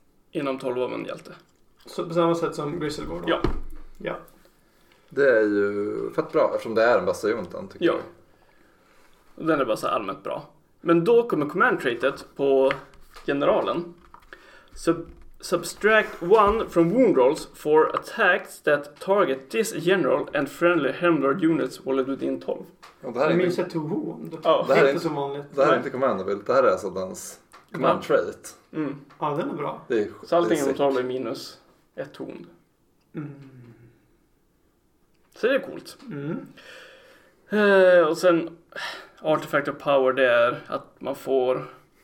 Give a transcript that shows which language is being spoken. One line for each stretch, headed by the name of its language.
Swedish: Inom 12 av en hjälte. Så på samma sätt som Grizzlegore då? Ja. Ja. Det är ju fett bra eftersom det är en bastion den tycker jag. Och den är bara så allmänt bra. Men då kommer command traitet på generalen.
English: Subtract one from wound rolls for attacks that target this general and friendly Helmlord units while within 12.
Swedish: Och det här är minns inte...
English: to wound. Oh.
Swedish: Det här är inte så vanligt. Det här är inte commandable. Det här är alltså dens command trait. Mm. Ja, den är bra. Det är, så allting inom 12 är minus ett wound. Mm. Så det är coolt. Mm. Och sen artifact of power, det är att man får...